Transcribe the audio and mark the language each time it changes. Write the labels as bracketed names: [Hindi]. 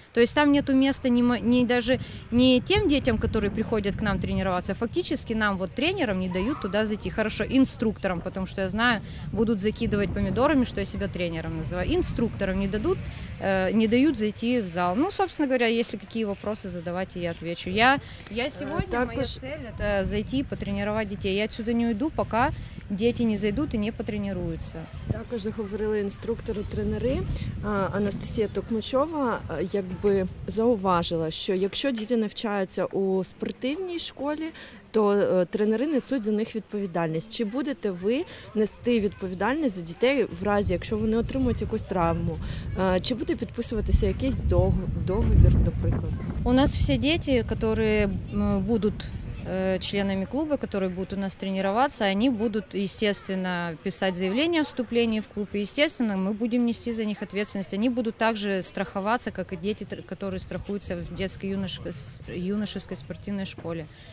[Russian] То есть там нету места ни тем детям, которые приходят к нам тренироваться, фактически нам вот тренерам не дают туда зайти. Хорошо, инструкторам, потому что я знаю, будут закидывать помидорами, что я себя тренером называю. Инструкторам не дадут, не дают зайти в зал. Ну, собственно говоря, если какие вопросы задавать, я отвечу. Я сегодня, цель это зайти и потренировать [Ukrainian] дітей. [Russian] Я отсюда не уйду, пока [Ukrainian] діти не зайдуть і не потренуються. Також заговорили інструктори-тренери. Анастасія Токмачова якби зауважила, що якщо діти навчаються у спортивній школі, то тренери несуть за них відповідальність. Чи будете ви нести відповідальність за дітей в разі, якщо вони отримують якусь травму? Чи буде підписуватися якийсь договір, наприклад? [Russian] У нас [Ukrainian] всі діти, які будуть членами клуба, [Russian] которые будут у нас тренироваться, они будут, естественно, писать заявление о вступлении в клуб, и, естественно, мы будем нести за них ответственность. Они будут также страховаться, как и дети, которые страхуются в детской юношеской спортивной школе.